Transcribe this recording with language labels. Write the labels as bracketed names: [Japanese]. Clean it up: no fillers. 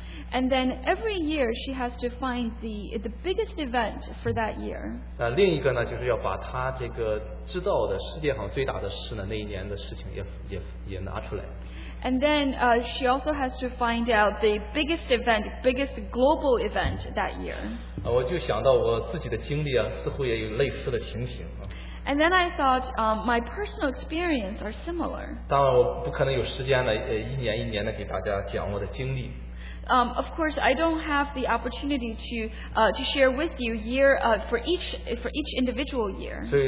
[English] And then every year she has to find the biggest event for that year. [Chinese] 那另一个呢，就是要把她这个知道的世界上最大的事呢那一年的事情也拿出来。 [English] And then she also has to find out the biggest event, biggest global event that year. [Chinese] 我就想到我自己的经历啊，似乎也有类似的情形。 [English] And then I thought, my personal experience are similar. [Chinese] 当然我不可能有时间呢，一年一年的给大家讲我的经历。 [English] Of course, I don't have the opportunity to share with you year for each individual year.